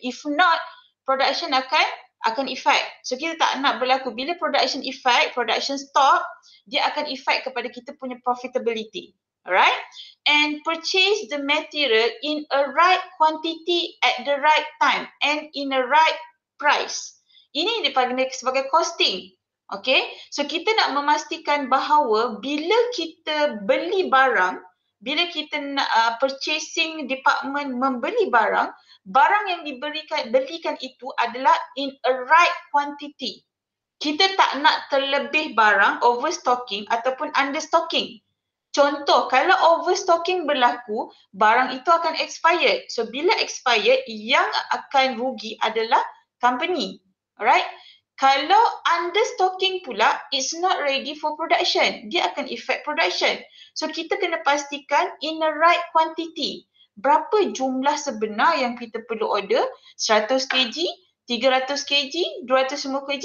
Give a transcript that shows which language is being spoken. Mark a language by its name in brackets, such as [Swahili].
[English] If not, [Malay] production akan effect. So kita tak nak berlaku bila production effect, production stop, dia akan effect kepada kita punya profitability. [English] Alright? And purchase the material in a right quantity at the right time and in a right price. [Malay] Ini dipanggil sebagai costing. Okay? So kita nak memastikan bahawa bila kita beli barang, bila kita nak purchasing department membeli barang, barang yang belikan itu adalah [English] in a right quantity. [Malay] Kita tak nak terlebih barang, overstocking ataupun understocking. Contoh, kalau overstocking berlaku, barang itu akan expired. So, bila expired, yang akan rugi adalah company. [English] Alright? [Malay] Kalau understocking pula, [English] it's not ready for production. [Malay] Dia akan affect production. So, kita kena pastikan [English] in the right quantity. [Malay] Berapa jumlah sebenar yang kita perlu order? 100 kg, 300 kg, 250 kg?